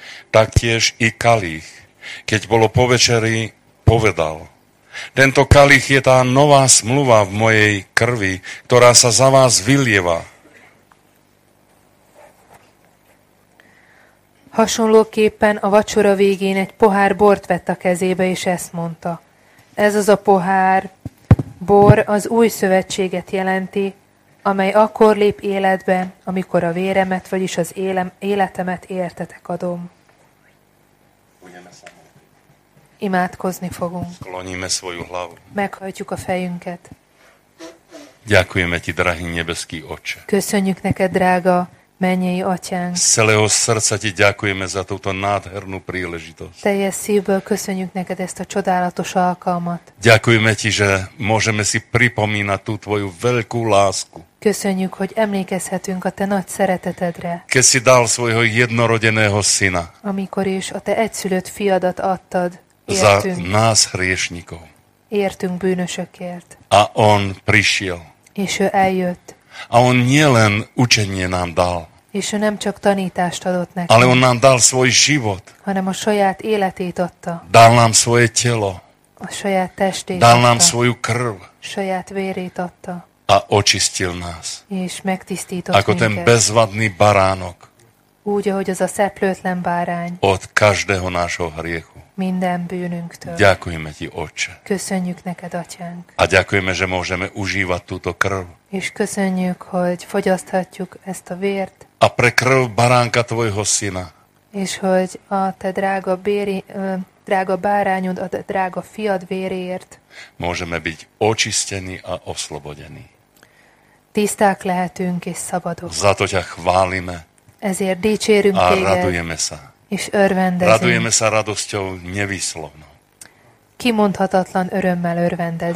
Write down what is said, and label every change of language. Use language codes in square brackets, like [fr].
[sk] Taktiež i kalich, keď bolo po večeri, povedal, Tento kalich je tá nová zmluva v mojej krvi, ktorá sa za vás vylieva. [hu] Hasonlóképpen a vacsora végén egy pohár bort vett a kezébe, és ezt mondta. Ez az a pohár bor az új szövetséget jelenti, amely akkor lép életbe, amikor a véremet, vagyis az életemet értetek adom. Imádkozni fogunk. [sk] Skloníme svoju hlavu. [hu] Meghajtjuk a fejünket. [sk] Ďakujeme ti, drahý nebeský Otče. [hu] Köszönjük neked, drága mennyei Atyánk. [sk] Z celého srdca ti ďakujeme za túto nádhernú príležitosť. [hu] Teljes szívből köszönjük neked ezt a csodálatos alkalmat. [sk] Ďakujeme ti, že môžeme si pripomínať tú tvoju veľkú lásku. [hu] Köszönjük, hogy emlékezhetünk a te nagy szeretetedre. [sk] Keď si dal svojho jednorodeného syna. [hu] Amikor is a te egyszülött fiadat adtad. Értünk. [sk] Za nás hriešnikov. [hu] Értünk bűnösökért. [sk] A on prišiel. [hu] És ő eljött. [sk] A on nielen učenie nám dal. [hu] És ő nem csak tanítást adott nekünk. [sk] Ale on nám dal svoj život. [hu] Hanem a saját életét adta. [sk] Dal nám svoje telo. [hu] A saját testét. [sk] Dal nám svoju krv. [hu] Saját vérét adta. [sk] A očistil nás. [hu] És megtisztított [sk] ako [hu] minket. [sk] Ten bezvadný baránok. [hu] Úgy, ahogy az a szeplőtlen bárány. [sk] Od každého nášho hriechu. [hu] Minden bűnünktől. [sk] Ďakujeme ti, Otče. [hu] Köszönjük neked, Atyánk. [sk] A ďakujeme, že môžeme užívať túto krv. [hu] És köszönjük, hogy fogyaszthatjuk ezt a vért. [sk] A pre krv baránka tvojho syna. [hu] És hogy a te drága, drága bárányod, a te drága fiad vérért. [sk] Môžeme byť očistení a oslobodení. [hu] Tiszták lehetünk és szabadok. [sk] Za to ťa chválime. [hu] Ezért dicsérünk téged. [sk] A radujeme sa. [hu] És örvendezünk. [sk] Radujeme sa radosťou nevýslovnou. [hu] Kimondhatatlan örömmel örvendezünk.